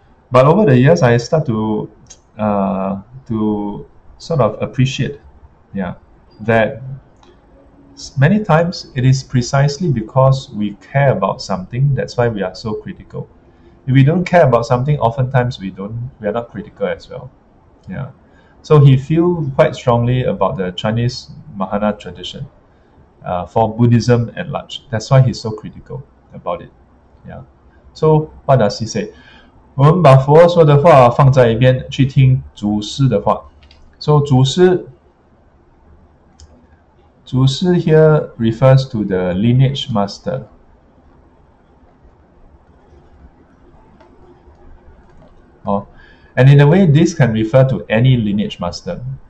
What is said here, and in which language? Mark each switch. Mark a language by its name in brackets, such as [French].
[English] But over the years, I start to sort of appreciate, that many times it is precisely because we care about something, that's why we are so critical. If we don't care about something, oftentimes we are not critical as well. Yeah. So he feel quite strongly about the Chinese Mahayana tradition for Buddhism at large. That's why he's so critical about it. Yeah. So what does he say? [Chinese] 我们把佛说的话放在一边去听祖师的话. [English] So 祖师 here refers to the lineage master. Oh, and in a way, this can refer to any lineage master.